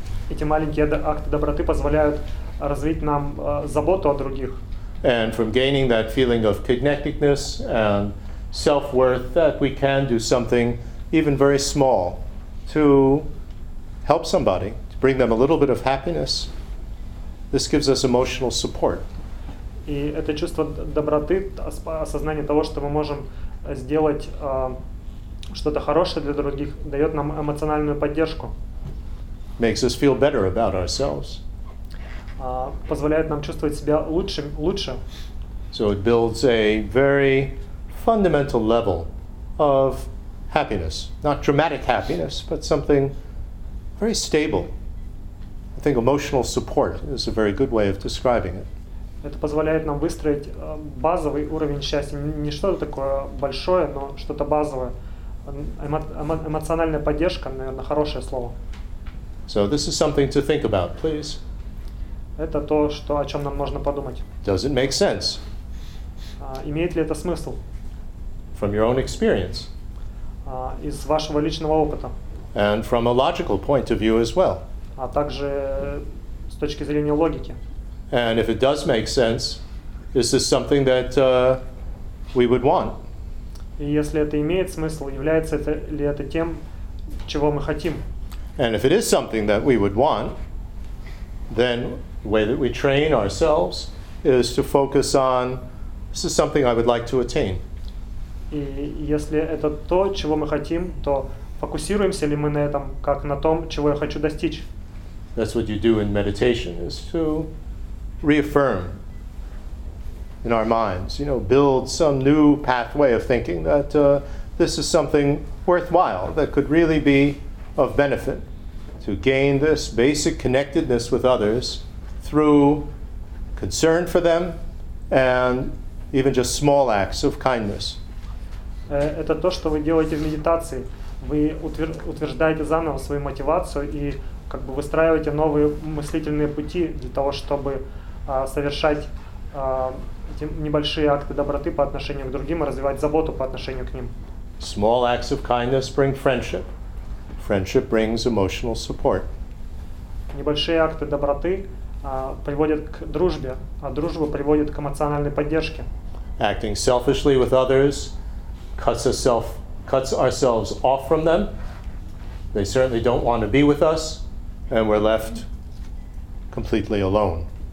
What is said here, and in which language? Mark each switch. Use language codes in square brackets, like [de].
[ru] эти маленькие акты доброты позволяют развить нам заботу о других. [en] And from gaining that feeling of connectedness and self-worth, that we can do something even very small to help somebody, to bring them a little bit of happiness. This gives us emotional support. [ru] И это чувство доброты, осознание того, что мы можем сделать что-то хорошее для других, дает нам эмоциональную поддержку. [en] Makes us feel better about ourselves. [ru] Позволяет нам чувствовать себя лучше. [en] So it builds a very fundamental level of happiness. Not dramatic happiness, but something very stable. I think emotional support is a very good way of describing it. [ru] Это позволяет нам выстроить базовый уровень счастья. Не что-то такое большое, но что-то базовое. Эмоциональная поддержка, наверное, хорошее слово. [en] So this is something to think about, please. [ru] Это то, что, о чем нам нужно подумать. [en] Does it make sense? [ru] Имеет ли это смысл? [en] From your own experience. [ru] Из вашего личного опыта. [en] And from a logical point of view as well. [ru] А также с точки зрения логики. [en] And if it does make sense, is this something that we would want? [ru] И если это имеет смысл, является это ли это тем, чего мы хотим? [en] And if it is something that we would want, then the way that we train ourselves is to focus on, this is something I would like to attain. [ru] И если это то, чего мы хотим, то фокусируемся ли мы на этом, как на том, чего я хочу достичь? [en] That's what you do in meditation, is to reaffirm in our minds, you know, build some new pathway of thinking that this is something worthwhile, that could really be of benefit, to gain this basic connectedness with others through concern for them and even just small acts of kindness. [ru] Это то, что вы делаете в медитации. Вы утверждаете заново свою мотивацию и как бы выстраиваете новые мыслительные пути для того, чтобы совершать эти небольшие акты доброты по отношению к другим и развивать заботу по отношению к ним. [en] Small acts of kindness bring friendship. Friendship brings emotional support. [ru] Небольшие акты доброты приводят к дружбе, а дружба приводит к эмоциональной поддержке. [en] Acting selfishly with others cuts ourselves off from them. They certainly don't want to be with us, and we're left completely alone.